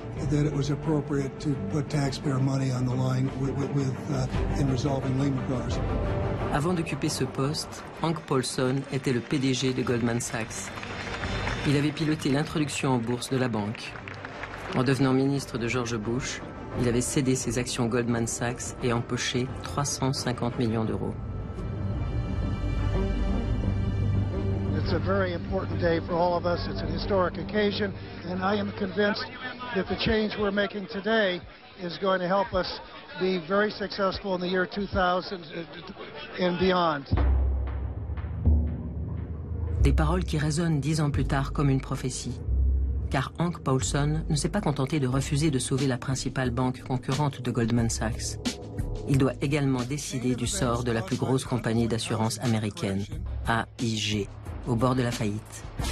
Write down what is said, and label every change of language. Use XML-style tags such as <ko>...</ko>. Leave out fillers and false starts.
<en>That it was appropriate to put taxpayer money on the line in resolving Lehman Brothers.</en> <fr>Avant d'occuper ce poste, Hank Paulson était le PDG de Goldman Sachs. Il avait piloté l'introduction en bourse de la banque. En devenant ministre de George Bush, il avait cédé ses actions Goldman Sachs et empoché 350 millions d'euros.</fr> <en>It's a very important day for all of us. It's an historic occasion, and I am convinced that the change we're making today is going to help us be very successful in the year 2000 and beyond.</en> <fr>Des paroles qui résonnent 10 ans plus tard comme une prophétie. Car Hank Paulson ne s'est pas contenté de refuser de sauver la principale banque concurrente de Goldman Sachs. Il doit également décider du sort de la plus grosse compagnie d'assurance américaine, AIG, au bord de la faillite.</fr>